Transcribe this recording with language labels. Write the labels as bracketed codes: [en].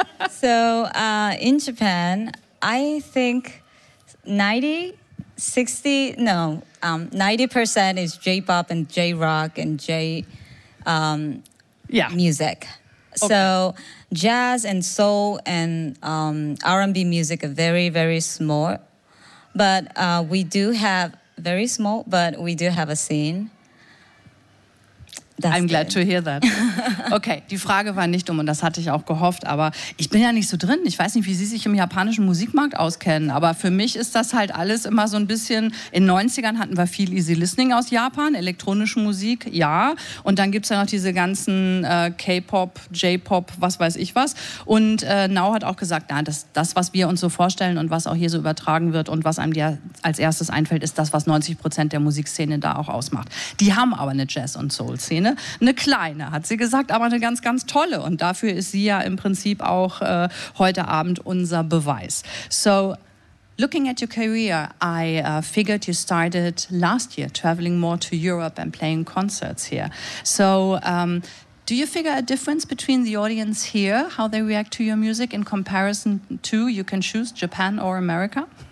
[en] So in Japan, I think 90% is J-pop and J-rock and music. Okay. So jazz and soul and R&B music are very, very small. But we do have very small, but we do have a scene. That's I'm glad good. To hear that. [de] Okay, die Frage war nicht dumm, und das hatte ich auch gehofft, aber ich bin ja nicht so drin. Ich weiß nicht, wie Sie sich im japanischen Musikmarkt auskennen, aber für mich ist das halt alles immer so ein bisschen, in 90ern hatten wir viel Easy Listening aus Japan, elektronische Musik, ja, und dann gibt es ja noch diese ganzen K-Pop, J-Pop, was weiß ich was. Und Nao hat auch gesagt, na, das, was wir uns so vorstellen und was auch hier so übertragen wird und was einem dir als erstes einfällt, ist das, was 90% der Musikszene da auch ausmacht. Die haben aber eine Jazz- und Soul-Szene. Eine kleine, hat sie gesagt, aber eine ganz, ganz tolle. Und dafür ist sie ja im Prinzip auch heute Abend unser Beweis. [en] So, looking at your career, I figured you started last year traveling more to Europe and playing concerts here. So, do you figure a difference between the audience here, how they react to your music in comparison to, you can choose, Japan or America?